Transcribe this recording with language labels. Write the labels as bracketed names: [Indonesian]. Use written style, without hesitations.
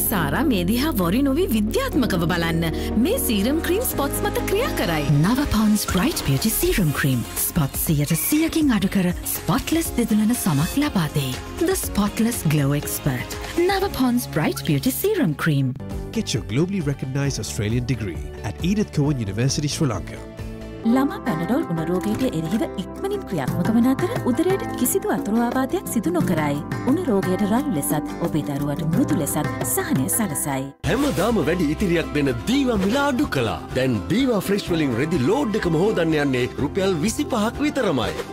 [Sinhala] සාරා මේ දිහා වරි නොවි විද්‍යාත්මකව බලන්න. මේ සීරම් ක්‍රීම් ස්පොට්ස් මත ක්‍රියා කරයි. නව Pond's bright beauty serum cream spots 100%කින් අඩු කර ස්පොට්ලස් දෙදුලන සමක් ලබා දෙයි. [English] the spotless glow expert [Sinhala] නව Pond's bright beauty serum cream. [English] Get your globally recognized Australian degree at Edith Cowan University, Sri Lanka. [Sinhala] ළම Panadol වුණ රෝගීට එරෙහිව ඉක්මනින් ක්‍රියාත්මක වන අතර උදරයට කිසිදු අතුරු ආබාධයක් සිදු නොකරයි. වුණ රෝගයට රළු ලෙසත් ඔබේ දරුවට මෘදු ලෙසත් සහනය සලසයි. හැමදාම වැඩි ඉතිරියක් දෙන දීවා මිල අඩු කළා. දැන් දීවා ෆ්‍රෙෂ් වලින් රෙදි ලෝඩ් එකම හොදන්න යන්නේ රුපියල් 25ක් විතරමයි.